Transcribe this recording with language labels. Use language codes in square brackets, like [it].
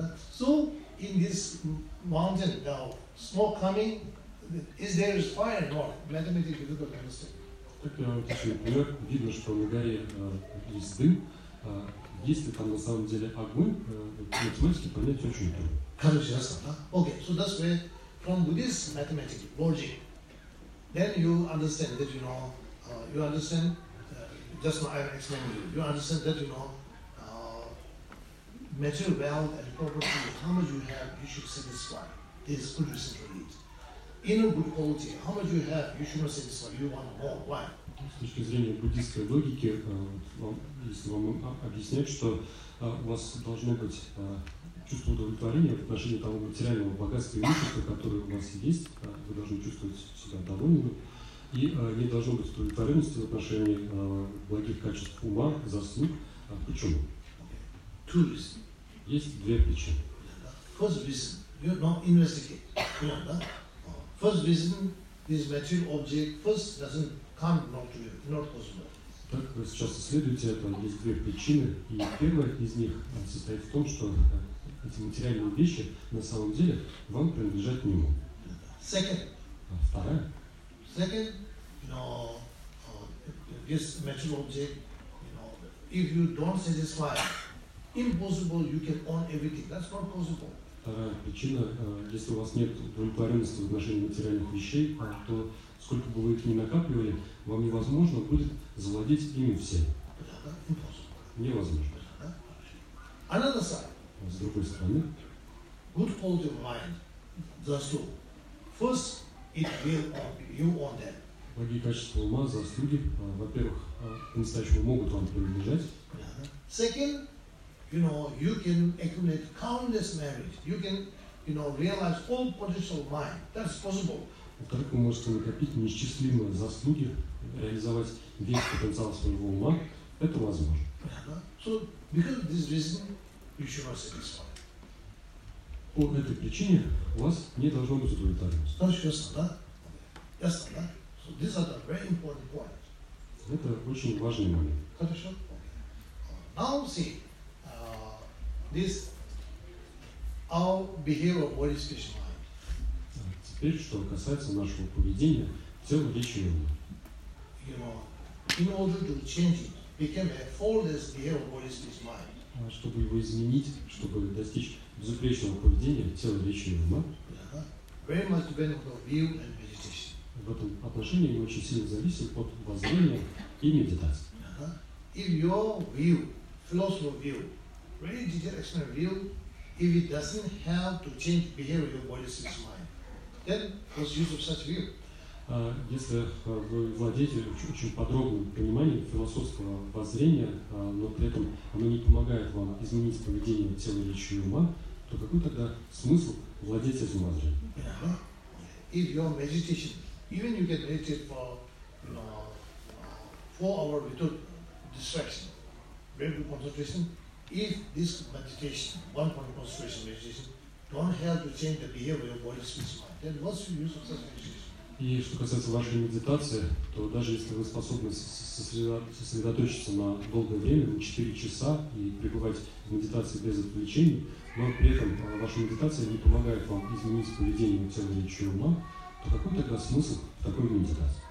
[en] So, in this mountain, now, smoke coming, is there fire or not? Математика, you don't understand. [ru] Так я вам отвечу, например, видно, что на горе есть дым. Есть ли там на самом деле огонь? Математика понять очень трудно. Короче, ясно, да? [en] Okay, so that's where, from Buddhist mathematics, logic, then you understand that, you know, you understand, just now I explained to you, you understand that, you know, material wealth and property, how much you have, you should satisfy. This is good reason to eat. Inner good quality, how much you have, you should not satisfy, you want more, why? [ru] С точки зрения буддийской логики, если вам объяснять, что у вас должно быть чувство удовлетворения в отношении того материального богатства и имущества, которое у вас есть, вы должны чувствовать себя довольным, и не должно быть удовлетворенности в отношении благих качеств ума, заслуг. Почему? [en] Two reasons. [ru] Есть две причины. [en] First reason, you don't investigate. First reason, this material object first doesn't come not to you, not possible. [ru] Так, вы сейчас исследуете это, есть две причины, и первая из них состоит в том, что эти материальные вещи на самом деле вам принадлежат не могут. [en] Second. [ru] А вторая? [en] Second, you know, this material object, you know, if you don't satisfy, impossible you can own everything. That's not possible. [ru] Вторая причина, если у вас нет удовлетворенности в отношении материальных вещей, то сколько бы вы их ни накапливали, вам невозможно будет завладеть ими всем. Невозможно. [en] Another side. [ru] С другой стороны. [en] Good quality of mind. Заслуг. First, it will own you on that. [ru] Благие качества ума, заслуги, во-первых, по-настоящему могут вам принадлежать. [en] Second, you know, you can accumulate countless merit. You can, you know, realize all potential mind. That's possible. [ru] Во-вторых, вы можете накопить неисчислимые заслуги, реализовать весь потенциал своего ума. Это возможно. [en] So, because of this reason, you should not satisfy. [ru] По этой причине у вас не должно быть удовлетворенности. Хорошо, ясно, да? Ясно, да? [en] So, these are the very important points. [ru] Это очень важный момент. Хорошо. [en] Now, see, this, our behavior of body, speech, mind. [ru] теперь, что касается нашего поведения, тела, речи и ума. [en] In order to change it, we can have faultless behavior of body, speech, mind. [ru] Чтобы его изменить, чтобы достичь безупречного поведения тела, речи и ума, [en] very much depend on view and meditation. [ru] В этом отношении мы очень сильно зависим от воззрения и медитации. [en] If your view, philosophical view, really detachment view, if it doesn't help to change behavior of your body, speech, mind, then what's the use of such view? [ru] Если вы владеете очень подробным пониманием философского воззрения, но при этом оно не помогает вам изменить поведение тела, речи и ума, то какой тогда смысл владеть этим воззрением? [en] If your meditation, even you get meditated for, you know, 4 hours without distraction, very good concentration, if this meditation, one point of concentration meditation, don't help to change the behavior of your body, speech, mind, then what's the use of such meditation? [ru] И что касается вашей медитации, то даже если вы способны сосредоточиться на долгое время, на 4 часа, и пребывать в медитации без отвлечений, но при этом ваша медитация не помогает вам изменить поведение тела, речи и ума, то какой тогда смысл в такой медитации?